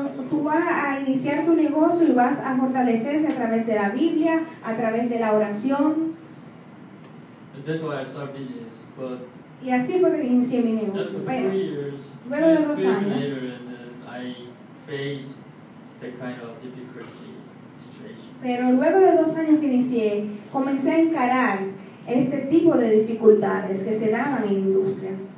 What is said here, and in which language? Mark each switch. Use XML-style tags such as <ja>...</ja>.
<es>tú vas a iniciar tu negocio y vas a fortalecerse a través de la Biblia, a través de la oración.</es> <en>That's why I start business, but</en> <es>y así fue que inicié mi negocio. Pero luego de 2 años,</es> <en>I faced that kind of difficulty situation.</en> <es>Pero luego de 2 años que inicié, comencé a encarar este tipo de dificultades que se daban en la industria.</es>